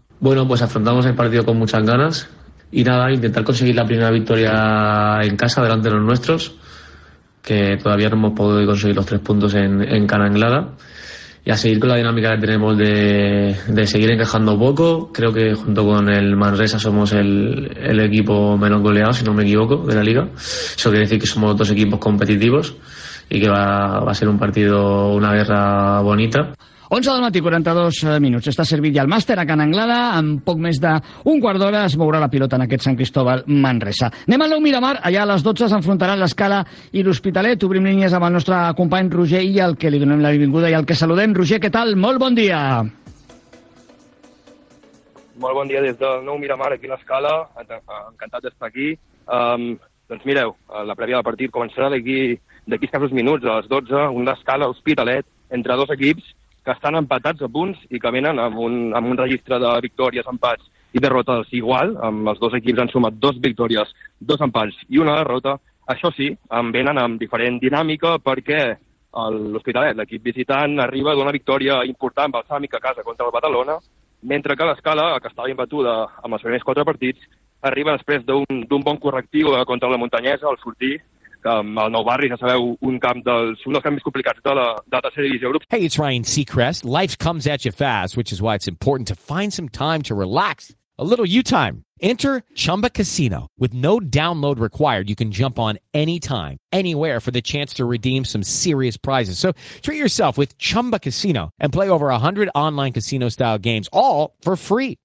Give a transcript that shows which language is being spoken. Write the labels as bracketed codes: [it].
[es] Bueno, pues afrontamos el partido con muchas ganas y nada, intentar conseguir la primera victoria en casa delante de los nuestros, que todavía no hemos podido conseguir los 3 puntos en Cana Anglada, y a seguir con la dinámica que tenemos de seguir encajando poco. Creo que junto con el Manresa somos el equipo menos goleado, si no me equivoco, de la liga. Eso quiere decir que somos dos equipos competitivos y que va a ser un partido, una guerra bonita. [ca] 11 del matí, 42 minuts. Està servit ja el màster a Can Anglada. En poc més d'un quart d'hora es mourà la pilota en aquest Sant Cristóbal Manresa. Anem a Nou Miramar. Allà a les 12 s'enfrontaran l'Escala i l'Hospitalet. Obrim línies amb el nostre company Roger i al que li donem la benvinguda i al que saludem. Roger, què tal? Molt bon dia. Molt bon dia des del Nou Miramar, aquí a l'Escala. Encantat d'estar aquí. Doncs mireu, la prèvia del partit començarà d'aquí escassos minuts, a les 12, un d'Escala, Hospitalet, entre dos equips que estan empatats a punts i que venen amb un registre de victòries, empats i derrotes igual. Amb els dos equips han sumat 2 victòries, 2 empats i 1 derrota. Això sí, venen amb diferent dinàmica perquè l'Hospitalet, l'equip visitant, arriba d'una victòria important balsàmica a casa contra el Badalona, mentre que l'Escala, que estava imbatuda amb els primers 4 partits, arriba després d'un bon correctiu contra la Muntanyesa al sortir, al Nou Barri, ja sabeu, un dels camps més complicats de la tercera divisió Europa. [en] Hey, it's Ryan Seacrest. Life comes at you fast, which is why it's important to find some time to relax. A little you time. Enter Chumba Casino. With no download required, you can jump on anytime, anywhere for the chance to redeem some serious prizes. So treat yourself with Chumba Casino and play over 100 online casino-style games, all for free.